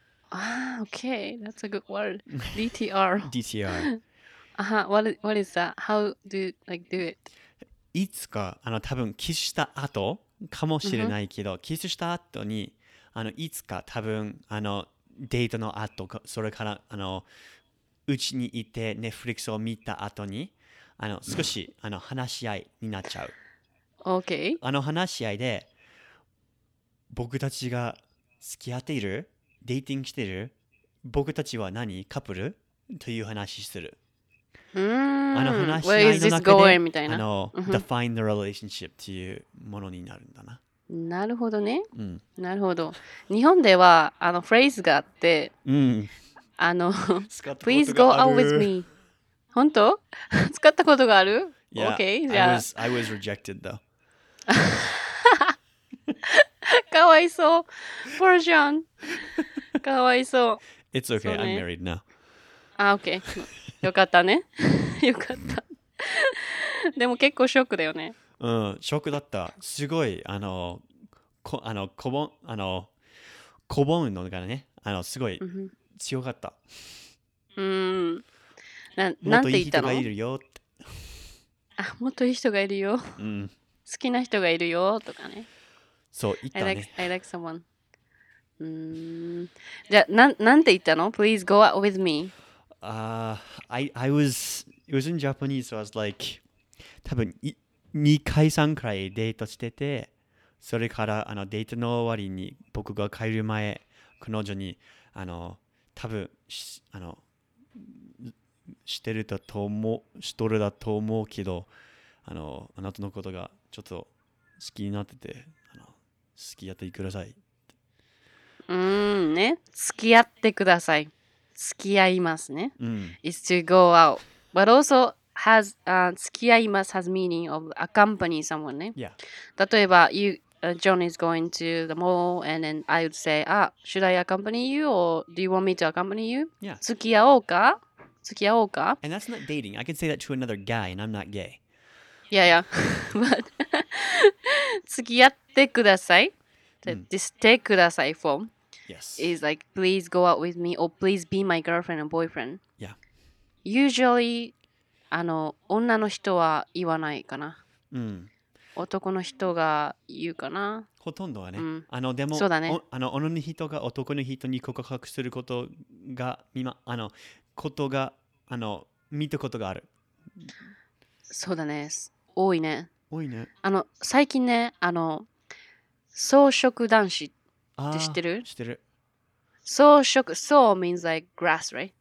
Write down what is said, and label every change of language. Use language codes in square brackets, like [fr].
[en] ああ、okay, that's a good word. DTR。 DTR。あは、what is that? How do you, like do it? [ja] いつかあの多分キスした後かもしれないけど、キスした後に。あのいつか多分あのデートの後か、それからあのうちにいて Netflix を見た後にあの少しあの話し合いになっちゃう。 [en] OK、 [ja] あの話し合いで僕たちが付き合っている、デーティングしている、僕たちは何カップルという話する。あの話し合いの中で、 [en] Where is this going? [ja] あの Define the relationship というものになるんだな。なるほどね、うん、なるほど。日本ではあのフレーズがあって、うん、 [en] あの Please go out with me 本当？ [ja] 使ったことがある？ [en] Yeah, okay, じゃあ I was rejected though. [ja] かわいそう。 Poor John. かわいそう。 [en] It's okay, I'm married now. [ja] あ、okay. よかったね。よかった。でも結構ショックだよね。うん、ショックだった。すごいあのこあのこぼんあのこぼんのがね、あのすごい強かった。なんて言ったの？もっといい人がいるよって。あ、もっといい人がいるよ、うん、好きな人がいるよとかね。そう言ったね。 [en] I like someone。 [ja] じゃあなんて言ったの？ [en] Please go out with me。 I was in Japanese, so I was like 多分 [ja] 2回3回デートしてて、それからあのデートの終わりに僕が帰る前、彼女にあの多分あのしてるだと思う、しとるだと思うけど、あのあなたのことがちょっと好きになってて、あの付き合ってください、うんね、付き合ってください、付き合いますね、うん、 [en] is to go out but also has、付き合います has meaning of accompany someone ね、 yeah. 例えば you、John is going to the mall and then I would say、should I accompany you or do you want me to accompany you、 yeah. [ja] 付き合おうか、付き合おうか、 [en] and that's not dating. I can say that to another guy and I'm not gay. Yeah, yeah. But 付き合ってください、 mm. This take ください form、 yes. is like please go out with me or please be my girlfriend or boyfriend. Yeah. [ja] Usually あの女の人は言わないかな、うん、男の人が言うかな、ほとんどはね、うん、あのでもそうだね、あの女の人が男の人に告白することが今あのことがあの見たことがある、そうだね、多いね、多いね、あの最近ね、あの草食男子って知ってる？知ってる、 [en] 草食、草 means like grass right、